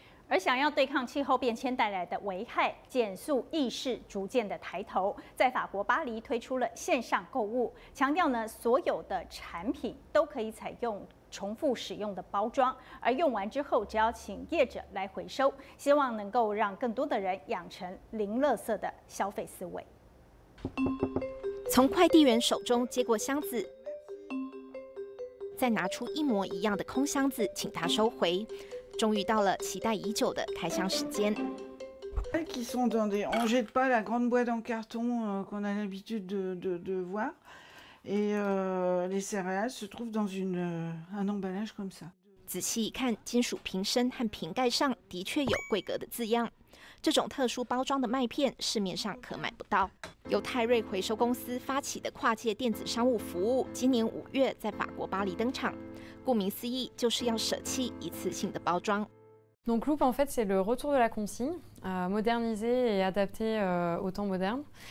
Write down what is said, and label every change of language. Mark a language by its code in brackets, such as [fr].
[zh] 而想要对抗气候变迁带来的危害，减速意识逐渐的抬头，在法国巴黎推出了线上购物，强调呢所有的产品都可以采用重复使用的包装，而用完之后只要请业者来回收，希望能够让更多的人养成零垃圾的消费思维。从快递员手中接过箱子，再拿出一模一样的空箱子请他收回，终于到了期待已久的开箱时间。 [fr] qui sont dans des, on jette pas la grande boîte en carton qu'on a l'habitude de voir, et les céréales se trouvent dans un emballage comme ça。 [zh] 仔细一看，金属瓶身和瓶盖上的确有规格的字样。这种特殊包装的麦片市面上可买不到。由泰瑞回收公司发起的跨界电子商务服务，今年5月在法国巴黎登场。顾名思义，就是要舍弃一次性的包装。 [fr] Donc Loop en fait c'est le retour de la consigne, modernisé et adapté au temps moderne.